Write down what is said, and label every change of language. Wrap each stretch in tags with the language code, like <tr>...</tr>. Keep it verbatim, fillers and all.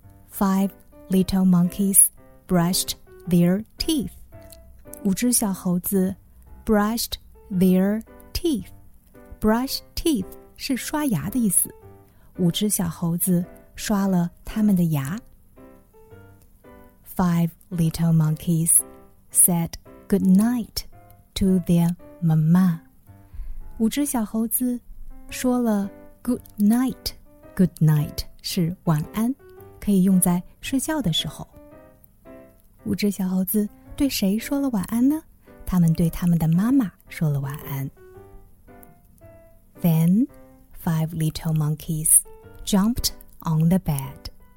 <en>Five little monkeys brushed their teeth.</en> <zh>五只小猴子</zh> <en>brushed their teeth. Brush teeth</en> <zh>是刷牙的意思。五只小猴子刷了他们的牙。</zh> <en>Five little monkeys said good night to their mama.</en> <zh>五只小猴子说了</zh> <en>good night。</en> <zh>Good night 是晚安，可以用在睡觉的时候。五只小猴子对谁说了晚安呢？他们对他们的妈妈说了晚安。</zh> <en>Then five little monkeys jumped on the bed.</en>